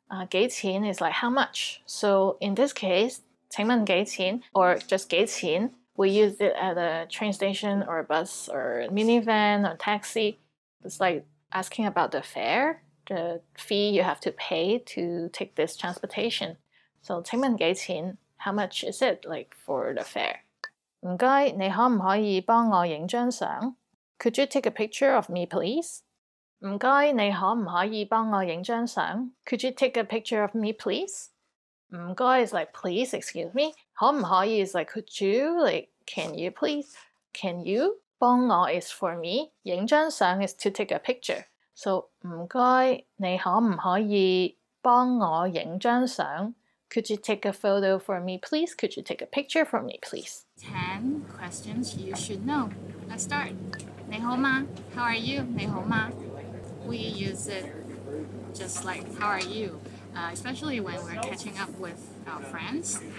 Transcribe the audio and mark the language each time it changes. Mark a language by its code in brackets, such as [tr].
[en] 幾錢 is like how much. So in this case, [yue] 請問幾錢 [en] or just 幾錢? We use it at a train station or a bus or minivan or taxi. It's like asking about the fare, the fee you have to pay to take this transportation. [yue] So, 請問幾錢? [en] How much is it like for the fare? [yue] 唔該，你可唔可以幫我影張相? [en] Could you take a picture of me, please? [yue] 唔該，你可唔可以幫我影張相? [en] Could you take a picture of me, please? [yue] 唔該 [en] is like please, excuse me. [yue] 可唔可以 [en] is like could you, like can you please? Can you? [yue] 幫我 [en] is for me. [yue] 影張相 [en] is to take a picture. [yue] So 唔該你可唔可以幫我影張相? [en] Could you take a photo for me, please? Could you take a picture for me, please? 10 questions you should know. Let's start. [yue] 你好嗎? [en] How are you? 你好嗎? We use it just like how are you? Especially when we're catching up with our friends.